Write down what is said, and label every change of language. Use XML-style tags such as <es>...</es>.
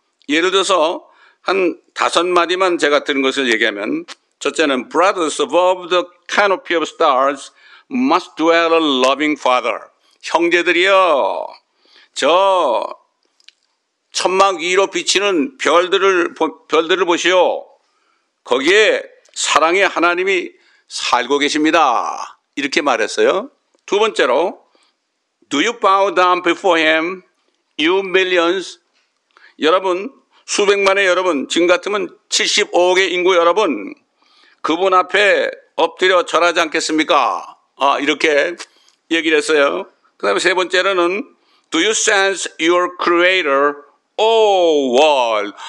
<ko>예를 들어서 한 다섯 마디만 제가 들은 것을 얘기하면 첫째는</ko> <en>Brothers above the canopy of stars must dwell a loving father.</en> <ko>형제들이여, 저 천막 위로 비치는 별들을 보시오. 거기에 사랑의 하나님이 살고 계십니다. 이렇게 말했어요. 두 번째로,</ko> <en>Do you bow down before him, you millions?</en> <ko>여러분, 수백만의 여러분, 지금 같으면 75억의 인구 여러분, 그분 앞에 엎드려 절하지 않겠습니까? 아, 이렇게 얘기를 했어요. 그 다음에 세 번째로는,</ko> <en>Do you sense your creator, oh world?</en>